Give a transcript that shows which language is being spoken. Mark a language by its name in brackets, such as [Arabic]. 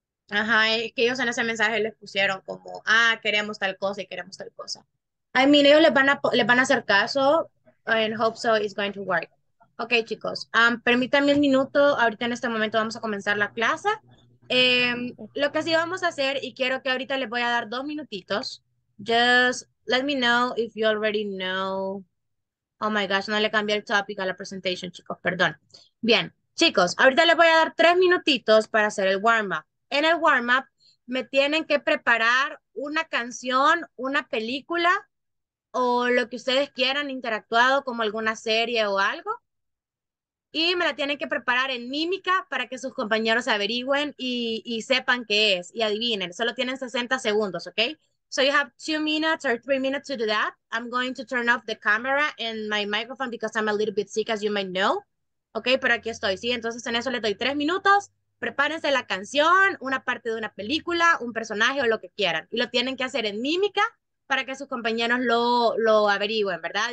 [Spanish] Ajá, es que ellos en ese mensaje les pusieron como, ah, queremos tal cosa y queremos tal cosa. Ay, mira, ellos les van a hacer caso. [English] I hope so, it's going to work. [Spanish] Ok, chicos, permítanme un minuto. Ahorita en este momento vamos a comenzar la clase. Lo que sí vamos a hacer, y quiero que ahorita les voy a dar 2 minutitos. [English] Just let me know if you already know. Oh my gosh, [Spanish] no le cambié el topic a la presentación, chicos, perdón. Bien, chicos, ahorita les voy a dar 3 minutitos para hacer el warm-up. En el warm-up me tienen que preparar una canción, una película o lo que ustedes quieran, interactuado como alguna serie o algo. Y me la tienen que preparar en mímica para que sus compañeros averigüen y sepan qué es y adivinen. Solo tienen 60 segundos, ¿ok? [English] So you have 2 minutes or 3 minutes to do that. I'm going to turn off the camera and my microphone because I'm a little bit sick, as you might know. [Spanish] Ok, pero aquí estoy, ¿sí? Entonces en eso les doy 3 minutos. Prepárense la canción, una parte de una película, un personaje o lo que quieran. Y lo tienen que hacer en mímica para que sus compañeros lo averigüen, ¿verdad?